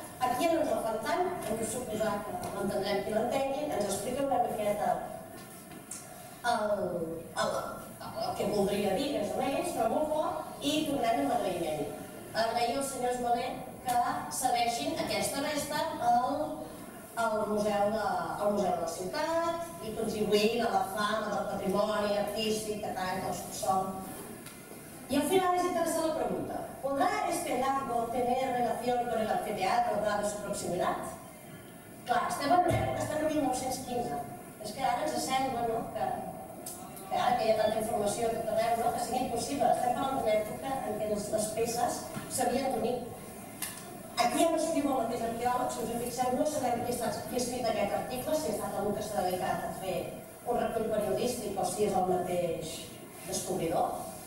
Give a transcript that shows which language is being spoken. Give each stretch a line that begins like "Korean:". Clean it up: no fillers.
Catalan: Aquí no ens la fan tant, hem de suposar que l'entendrem qui l'entengui, ens explica una miqueta el que voldria dir, més o menys, però molt poc, i tornem amb l'agraïment. Agraïm als senyors Malé que cedeixin aquesta resta al Museu de la Ciutat i contribuint a la fama del patrimoni artístic que tanca el subsol. I al final és interessant la pregunta.
Spanish: ¿Podrá este largo tener relación con el anfiteatro dado su proximidad?
Catalan: Clar, estem en breu, estem en 1915. És que ara ens sembla, no?, que ara que hi ha tanta informació que tenim, no?, que sigui impossible. Estem parlant d'una època en què les peces s'havien d'unir. Aquí ja no escriu el mateix arqueòleg, si us hi fixeu, no sabem qui ha escrit aquest article, si ha estat algú que s'ha dedicat a fer un recull periodístic o si és el mateix descobridor.